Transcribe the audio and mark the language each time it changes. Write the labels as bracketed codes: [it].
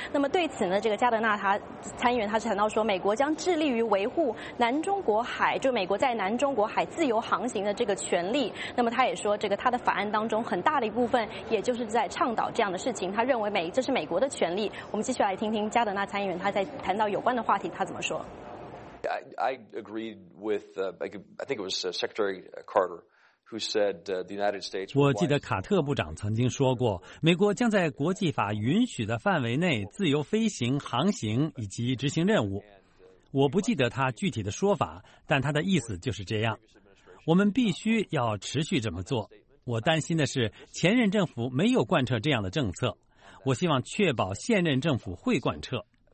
[zh] 那么对此呢，这个加德纳他参议员他是谈到说，美国将致力于维护南中国海，就美国在南中国海自由航行的这个权利。那么他也说，这个他的法案当中很大的一部分也就是在倡导这样的事情，他认为这是美国的权利。我们继续来听听加德纳参议员他在谈到有关的话题他怎么说。 [en] I agreed with I think it was Secretary Carter who said the United States. [zh] 我记得卡特部长曾经说过，美国将在国际法允许的范围内自由飞行、航行以及执行任务。我不记得他具体的说法，但他的意思就是这样，我们必须要持续这么做。我担心的是前任政府没有贯彻这样的政策，我希望确保现任政府会贯彻。